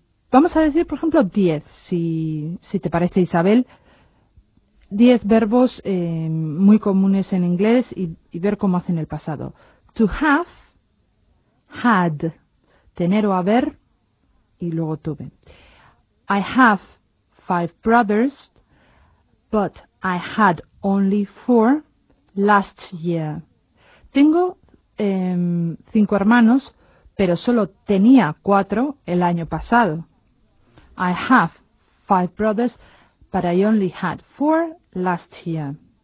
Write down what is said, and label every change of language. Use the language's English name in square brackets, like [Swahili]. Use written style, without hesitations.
[Spanish] Vamos a decir, por ejemplo, 10, si te parece, Isabel. 10 verbos muy comunes en inglés y ver cómo hacen el pasado. [English] To have, had, [Spanish] tener o haber, y luego tuve. [English] I have 5 brothers, but I had only 4 last year. [Spanish] Tengo 5 hermanos, pero solo tenía 4 el año pasado. [English] I have 5 brothers, but I only had 4 last year.